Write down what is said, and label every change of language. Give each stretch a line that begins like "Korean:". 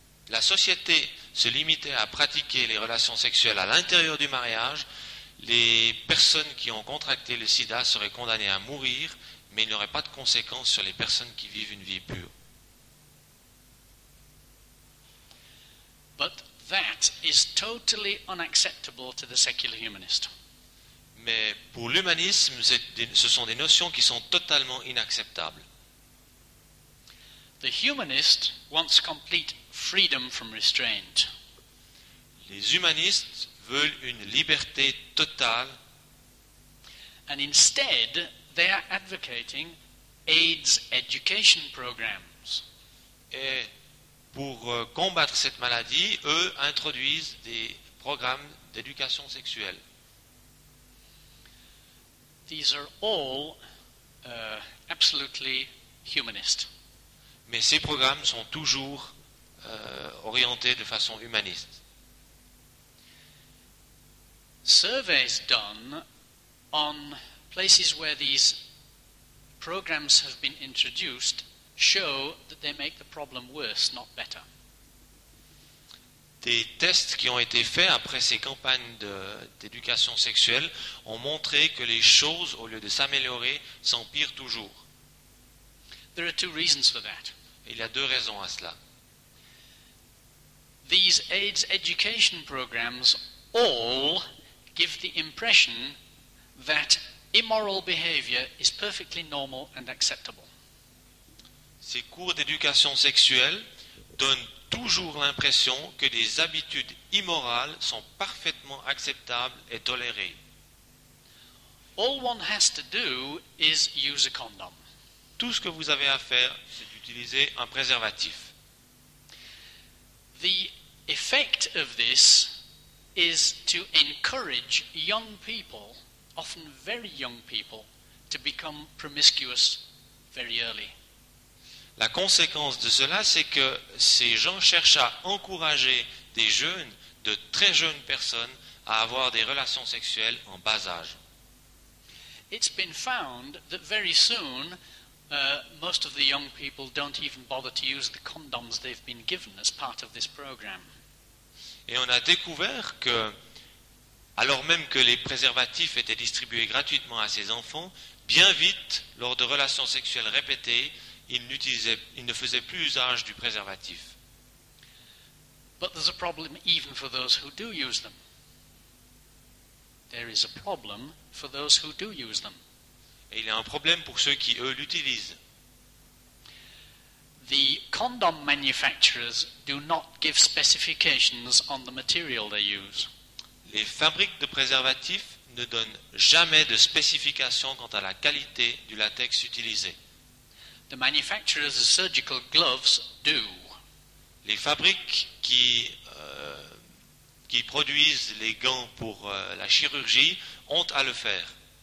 French: La société se limitait à pratiquer les relations sexuelles à l'intérieur du mariage, les personnes qui ont contracté le sida seraient condamnées à mourir, mais il n'y aurait pas de conséquences sur les personnes qui vivent une vie pure.
English: But that is totally unacceptable to the secular humanist.
French: Mais pour l'humanisme, ce sont des notions qui sont totalement inacceptables.
English: The humanist wants complete freedom from restraint.
French: Les humanistes veulent une liberté totale.
English: And instead, they are advocating AIDS education programs.
French: Et pour combattre cette maladie, eux introduisent des programmes d'éducation sexuelle.
English: These are all absolutely humanist.
French: Mais ces programmes sont toujours orientés de façon humaniste.
English: Surveys done on places where these programs have been introduced show that they make the problem worse, not better.
French: Des tests qui ont été faits après ces campagnes d'éducation sexuelle ont montré que les choses, au lieu de s'améliorer, s'empirent toujours.
English: There are two reasons for that.
French: Il y a deux raisons à cela.
English: These AIDS education programs all give the impression that immoral behavior is perfectly normal and acceptable.
French: Ces cours d'éducation sexuelle donne toujours l'impression que des habitudes immorales sont parfaitement acceptables et tolérées.
English: All one has to do is use a condom.
French: Tout ce que vous avez à faire, c'est d'utiliser un préservatif.
English: The effect of this is to encourage young people, often very young people, to become promiscuous very early.
French: La conséquence de cela, c'est que ces gens cherchent à encourager des jeunes, de très jeunes personnes, à avoir des relations sexuelles en bas âge.
English: It's been found that very soon, most of the young people don't even bother to use the condoms they've been given as part of this program.
French: Et on a découvert que, alors même que les préservatifs étaient distribués gratuitement à ces enfants, bien vite, lors de relations sexuelles répétées, ils ne faisaient plus usage du préservatif.
English: But there's a problem even for those who do use them. There is a problem for those who do use them.
French: Et il y a un problème pour ceux qui, eux, l'utilisent.
English: The condom manufacturers do not give specifications on the material they use.
French: Les fabriques de préservatifs ne donnent jamais de spécifications quant à la qualité du latex utilisé.
English: The manufacturers of surgical gloves do.
French: Les fabriques qui produisent les gants pour la chirurgie ont à le faire.